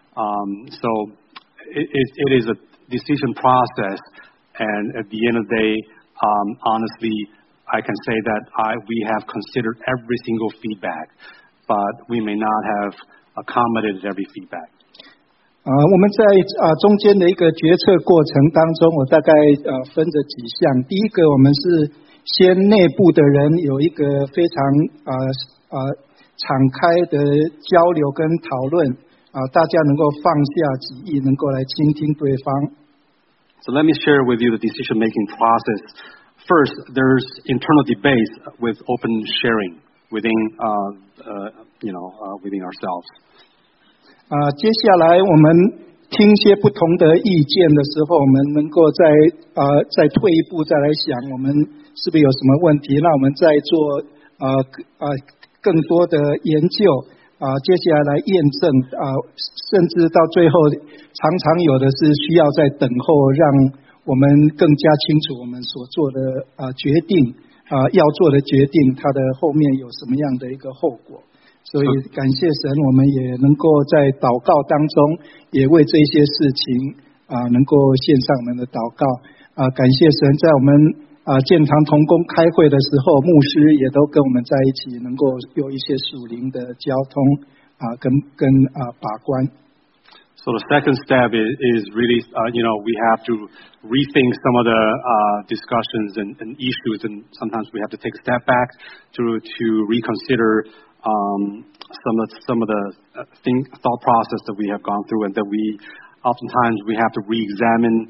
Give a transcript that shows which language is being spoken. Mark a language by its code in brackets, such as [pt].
[en] And so it is a decision process. And at the end of the day, honestly, I can say that we have considered every single feedback, but we may not have accommodated every feedback. [zh] 我们在中间的一个决策过程当中，我大概分着几项。第一个，我们是先内部的人有一个非常敞开的交流跟讨论，大家能够放下己意，能够来倾听对方。 [en] So let me share with you the decision-making process. First, there's internal debate with open sharing within ourselves. [zh] 接下来我们听些不同的意见的时候，我们能够再退一步，再来想我们是不是有什么问题，那我们再做更多的研究。接下来验证甚至到最后常常有的是需要在等候，让我们更加清楚我们所做的决定要做的决定它的后面有什么样的一个后果。所以感谢神，我们也能够在祷告当中也为这些事情能够献上我们的祷告。感谢神，在我们建堂同工开会的时候，牧师也都跟我们在一起，能够有一些属灵的交通跟把关。 [en] So the second step is really, we have to rethink some of the discussions and issues, and sometimes we have to take a step back to reconsider some of the thought process that we have gone through, and that we oftentimes we have to reexamine.